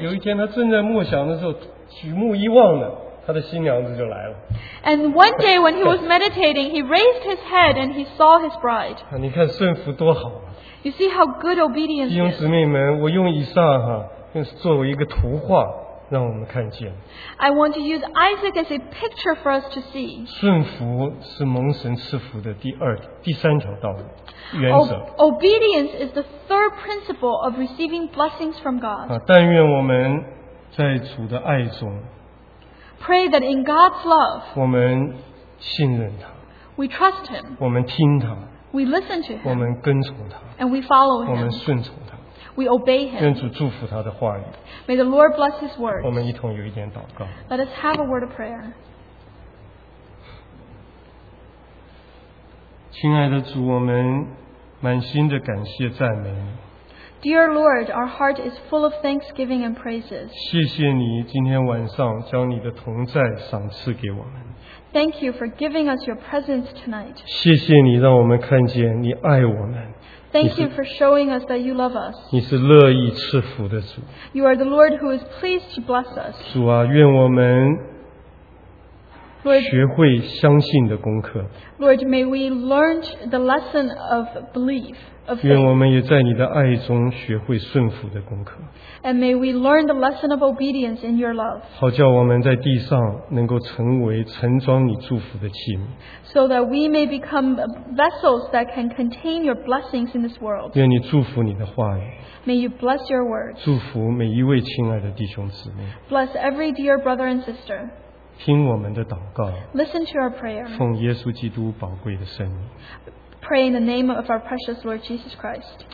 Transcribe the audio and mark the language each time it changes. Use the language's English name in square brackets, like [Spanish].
[Chinese] 有一天他正在默想的时候，举目一望呢，他的新娘子就来了。 [English] And one day when he was meditating, he raised his head and he saw his bride. [Chinese] 你看顺服多好。 [English] You see how good obedience is. [Chinese] 弟兄姊妹们，我用以撒哈。作为一个图画让我们看见。 [English] I want to use Isaac as a picture for us to see. [Chinese] 顺服是蒙神赐福的第三条道理原则。 [English] Obedience is the third principle of receiving blessings from God. [Chinese] 但愿我们在主的爱中。 [English] Pray that in God's love. [Chinese] 我们信任他。 [English] We trust him. [Chinese] 我们听他。 [English] We listen to him. [Chinese] 我们跟从他。 [English] And we follow him. [Chinese] 我们顺从他。 [English] We obey him. [Chinese] 愿主祝福他的话语。 [English] May the Lord bless his word. [Chinese] 我们一同有一点祷告。 [English] Let us have a word of prayer. [Chinese] 亲爱的主，我们满心的感谢赞美。 [English] Dear Lord, our heart is full of thanksgiving and praises. [Chinese] 谢谢你今天晚上将你的同在赏赐给我们。 [English] Thank you for giving us your presence tonight. [Chinese] 谢谢你让我们看见你爱我们。 [English] Thank you for showing us that you love us. [Chinese] 你是乐意赐福的主。 [English] You are the Lord who is pleased to bless us. [Chinese] 主啊，愿我们学会相信的功课。 [English] Lord, may we learn the lesson of belief. [Chinese] 愿我们也在你的爱中学会顺服的功课。 [English] And may we learn the lesson of obedience in your love. [Chinese] 好叫我们在地上能够成为盛装你祝福的器皿。 [English] So that we may become vessels that can contain your blessings in this world. [Chinese] 愿你祝福你的话语。 [English] May you bless your words. [Chinese] 祝福每一位亲爱的弟兄姊妹。 [English] Bless every dear brother and sister. [Chinese] 听我们的祷告。 [English] Listen to our prayer. [Chinese] 奉耶稣基督宝贵的圣名。 [English] Pray in the name of our precious Lord Jesus Christ.